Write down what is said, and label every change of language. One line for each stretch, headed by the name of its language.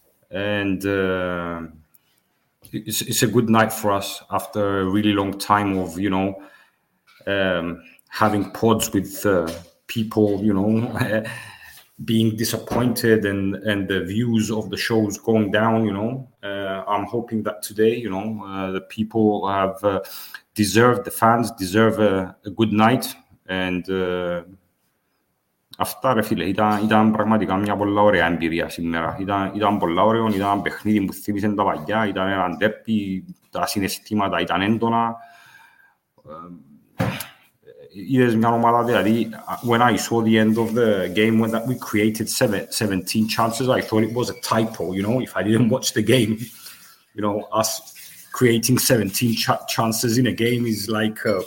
English: And it's a good night for us after a really long time of, you know, having pods with people, you know, being disappointed and the views of the shows going down, you know. I'm hoping that today, you know, the people have deserved, the fans deserve a good night.
Greek: And αυτά, ρε φίλε, ήταν πραγματικά μια πολλά ωραία εμπειρία σήμερα. Ήταν πολλά ωραίο, ήταν παιχνίδι που θύμισε τα παλιά, ήταν έναν τέρπι, τα συναισθήματα ήταν έντονα. Είδες μια ομάδα, δηλαδή,
English: when I saw the end of the game, when that we created 17 chances, I thought it was a typo, you know, if I didn't watch the game. You know, us creating 17 chances in a game is like...